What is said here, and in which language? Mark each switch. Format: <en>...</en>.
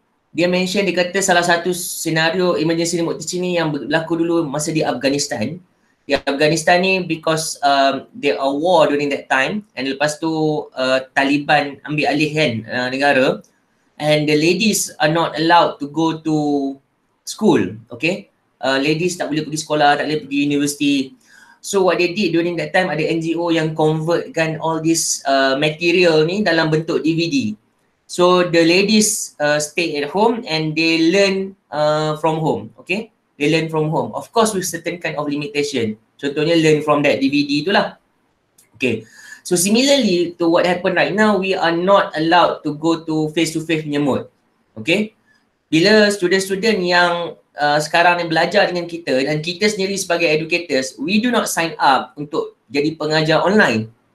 <ms>Dia mention, dia kata salah satu senario emergency remote teaching ni yang berlaku dulu masa di Afghanistan. Di Afghanistan ni</ms> <en>because there are war during that time, and</en> <ms>lepas tu Taliban ambil alih kan negara,</ms> <en>and the ladies are not allowed to go to school, okay?</en> <ms>Ladies tak boleh pergi sekolah, tak boleh pergi universiti.</ms> <en>So what they did during that time,</en> <ms>ada NGO yang convertkan</ms> <en>all this material</en> <ms>ni dalam bentuk DVD.</ms> <en>So the ladies stay at home and they learn from home, okay? They learn from home. Of course with certain kind of limitation. Contohnya learn from that DVD itulah. Okay. So similarly to what happened right now, we are not allowed to go to face-to-face punya mode. Okay.</en> <ms>Bila student-student yang sekarang ni belajar dengan kita dan kita sendiri sebagai educators,</ms> <en>we do not sign up</en> <ms>untuk jadi pengajar online.</ms>